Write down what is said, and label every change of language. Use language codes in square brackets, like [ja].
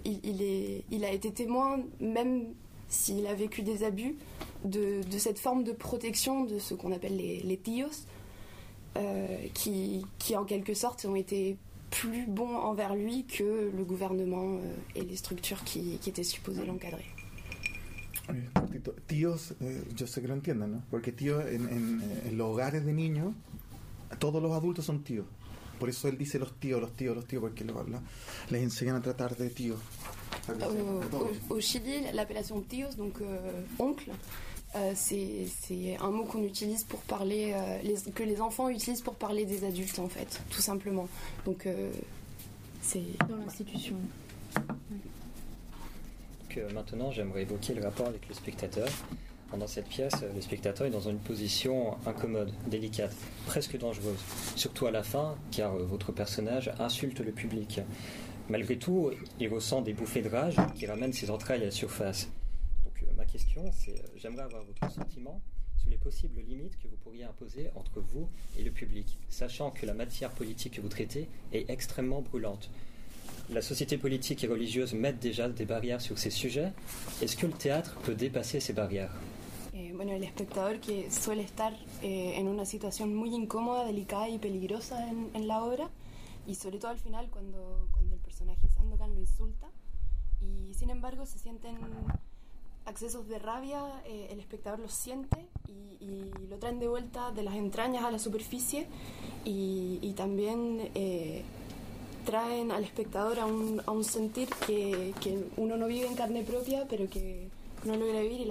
[fr] Il a été témoin, même s'il a vécu des abus, de cette forme de protection de ce qu'on appelle les tíos, qui en quelque sorte ont été plus bon envers lui que le gouvernement et les structures qui étaient supposées l'encadrer. [es] Tíos, yo sé que lo entienden, ¿no? Porque tíos en los hogares de niños, todos los adultos son tíos. Por eso él dice los tíos, porque les enseñan a tratar de tíos. [fr] Au Chili, l'appellation tíos, donc oncle, c'est un mot qu'on utilise pour parler que les enfants utilisent pour parler des adultes, en fait, tout simplement. Donc c'est dans l'institution. Que maintenant j'aimerais évoquer le rapport avec le spectateur. Dans cette pièce, le spectateur est dans une position incommode, délicate, presque dangereuse, surtout à la fin, car votre personnage insulte le public. Malgré tout, il ressent des bouffées de rage qui ramènent ses entrailles à la surface. Ma question, c'est, j'aimerais avoir votre sentiment sur les possibles limites que vous pourriez imposer entre vous et le public, sachant que la matière politique que vous traitez est extrêmement brûlante. La société politique et religieuse met déjà des barrières sur ces sujets. Est-ce que le théâtre peut dépasser ces barrières ? Et [es] bueno, el espectador que suele estar en una situación muy incómoda, delicada y peligrosa en la obra, y sobre todo al final cuando el personaje Sandokan lo insulta, y sin embargo se sienten accesos de rabia, el espectador los siente y lo traen de vuelta de las entrañas a la superficie, y también traen al espectador a un sentir que uno no vive en carne propia, pero que no logra vivir.